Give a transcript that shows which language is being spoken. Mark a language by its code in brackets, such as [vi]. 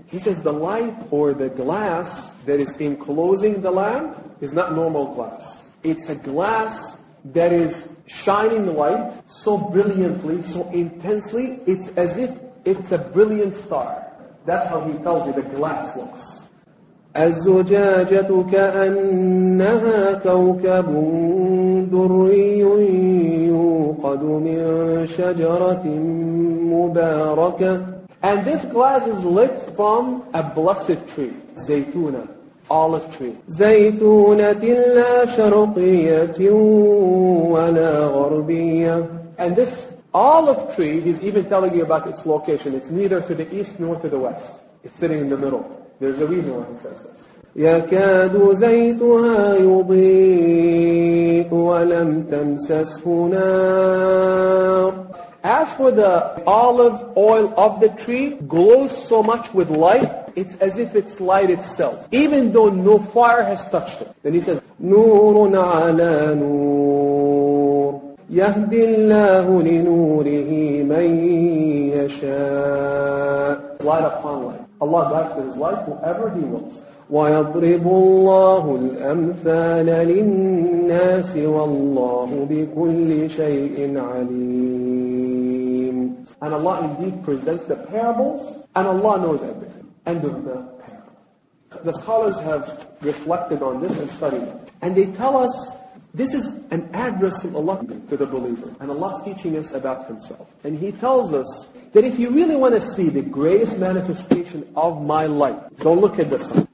[en] He says the light or the glass that is enclosing the lamp is not normal glass. It's a glass that is shining light so brilliantly, so intensely, it's as if it's a brilliant star. That's how he tells you the glass looks. [ar] الزجاجة كأنها كوكب دري يوقد من شجرة مباركة. [en] And this glass is lit from a blessed tree, زيتونة, olive tree. [ar] زيتونة لا شرقية ولا غربية. [en] And this olive tree, he's even telling you about its location. It's neither to the east nor to the west. It's sitting in the middle. There's a reason why he says this. [ar] يكاد زيتها يضيء ولم تمسسه نار. [en] As for the olive oil of the tree, glows so much with light, it's as if it's light itself, even though no fire has touched it. Then he says, [ar] نور على نور يهدي الله لنوره من يشاء. [en] Light upon light. Allah guides his light whoever he wills. [ar] ويضرب الله الأمثال للناس والله بكل شيء عليم. [en] And Allah indeed presents the parables, and Allah knows everything. End of the parable. The scholars have reflected on this and studied, and they tell us this is an address from Allah to the believer, and Allah's teaching us about Himself. And He tells us that if you really want to see the greatest manifestation of my light, don't look at the sun.